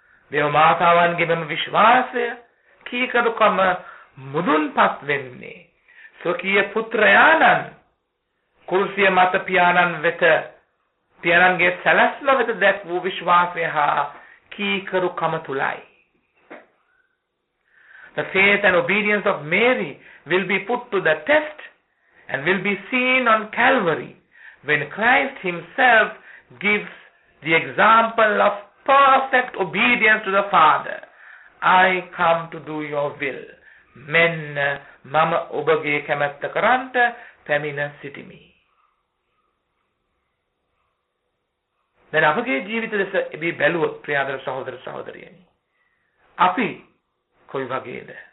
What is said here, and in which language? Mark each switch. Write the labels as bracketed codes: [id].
[si] දේව මාතාවන්ගේම විශ්වාසය කීකරුකම මුදුන්පත් වෙන්නේ ස්වකීය පුත්‍රයාණන් කුරුසිය මත පියාණන් වෙත, පියාණන්ගේ සැලැස්ම වෙත දක්වූ විශ්වාසය හා කීකරුකම තුලයි. [en] The faith and obedience of Mary will be put to the test and will be seen on Calvary when Christ himself gives the example of perfect obedience to the Father. I come to do your will. [si] මෙන්න මම ඔබගේ කැමැත්ත කරන්ට පැමිණ සිටිමි. දැන් අපගේ ජීවිත දෙස මේ බැලුවොත් ප්‍රියදර සහෝදර සහෝදරියනි, අපි කොයි වගේද?